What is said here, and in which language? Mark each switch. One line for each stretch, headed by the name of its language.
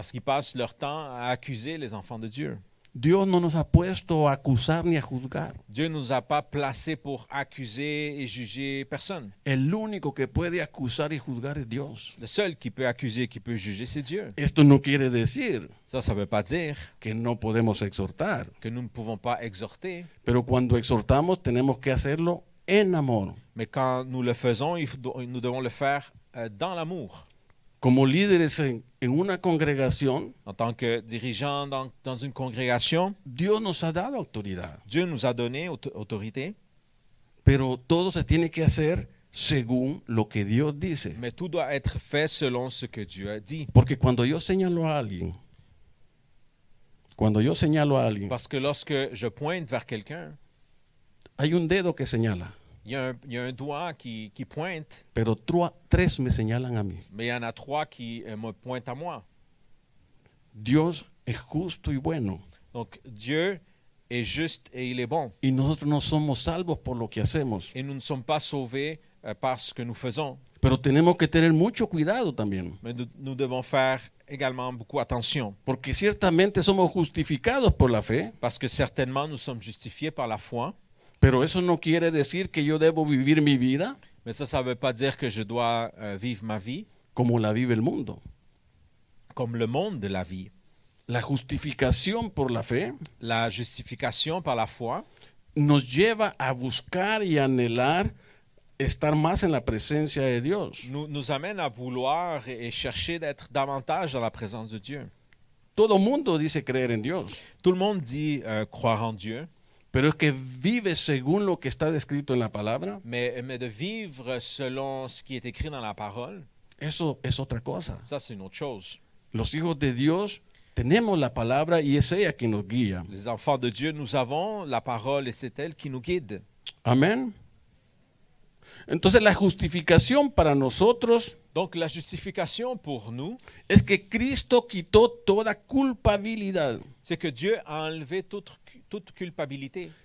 French: Parce qu'ils passent leur temps à accuser les enfants de Dieu.
Spanish: Dios no nos ha puesto a acusar ni a juzgar.
French: Dieu nous a pas placé pour accuser et juger personne.
Spanish: El único que puede acusar y juzgar es Dios.
French: Le seul qui peut accuser, qui peut juger, c'est Dieu.
Spanish: Esto no quiere decir.
French: Ça veut pas dire
Spanish: que no podemos exhortar.
French: Que nous ne pouvons pas exhorter.
Spanish: Pero cuando exhortamos, tenemos que hacerlo en amor.
French: Mais quand nous le faisons, nous devons le faire dans l'amour.
Spanish: Como líderes en una congregación,
French: en tant que dirigeant dans une congrégation,
Spanish: Dios nos ha dado autoridad.
French: Dieu nous a donné autorité.
Spanish: Pero todo se tiene que hacer según lo que Dios dice.
French: Mais tout doit être fait selon ce que Dieu a dit.
Spanish: Porque cuando yo señalo a alguien, cuando yo señalo a alguien,
French: parce que lorsque je pointe vers quelqu'un,
Spanish: hay un dedo que señala.
French: Il y a un doigt qui pointe.
Spanish: Pero tres me señalan a mí.
French: Mais il y en a trois qui me pointent à moi.
Spanish: Dios es justo y bueno.
French: Donc Dieu est juste et il est bon.
Spanish: Y nosotros no somos salvos por lo que hacemos.
French: Et nous ne sommes pas sauvés par ce que nous faisons.
Spanish: Pero tenemos que tener mucho cuidado también.
French: Mais nous devons faire également beaucoup attention.
Spanish: Porque ciertamente somos justificados por la fe.
French: Parce que certainement nous sommes justifiés par la foi.
Spanish: Pero eso no quiere decir que yo debo vivir mi vida.
French: Mais ça veut pas dire que je dois vivre ma vie.
Spanish: Como la vive el mundo.
French: Comme le monde de la vie.
Spanish: La justificación por la fe.
French: La justificación par la foi.
Spanish: Nos lleva a buscar y anhelar estar más en la presencia de Dios.
French: Nous amène à vouloir et chercher d'être davantage dans la présence de Dieu.
Spanish: Todo mundo dice creer en Dios.
French: Tout le monde dit croire en Dieu.
Spanish: Pero es que vive según lo que está descrito en la palabra.
French: Mais de vivre selon ce qui est écrit dans la parole.
Spanish: Eso es otra cosa.
French: Ça, c'est une autre chose.
Spanish: Los hijos de Dios tenemos la palabra y es ella que nos guía.
French: Les enfants de Dieu, nous avons la parole et c'est elle qui nous guide.
Spanish: Amén. Entonces la justificación para nosotros.
French: Donc la justification pour nous.
Spanish: Es que Cristo quitó toda culpabilidad.
French: C'est que Dieu a enlevé toute culpabilité.